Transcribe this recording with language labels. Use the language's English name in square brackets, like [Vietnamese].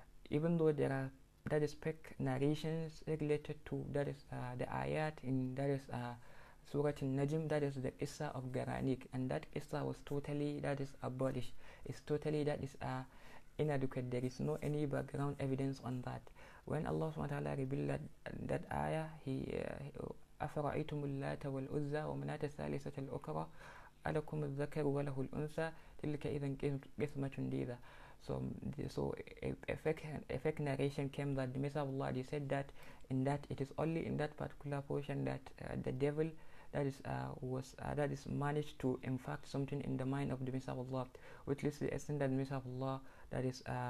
[Arabic] Even though there are, that is peck narrations related to, that is the ayat in, that is Surah Al-Najm, that is the Issa of Garanik, and that Issa was totally, that is abolished. It's totally, that is inadequate. There is no any background evidence on that. When Allah SWT revealed that ayah, he أفرأيتم اللات والأزى ومناة الثالثة الأخرى ألكم الذكر وله الأنثى تلك إذا قسمة ديدة. [English] So a fake narration came that the Messenger of Allah, he said that in that it is only in that particular portion that the devil, that is was that is managed to impact something in the mind of the Messenger of Allah, which is the extent that the Messenger of Allah, that is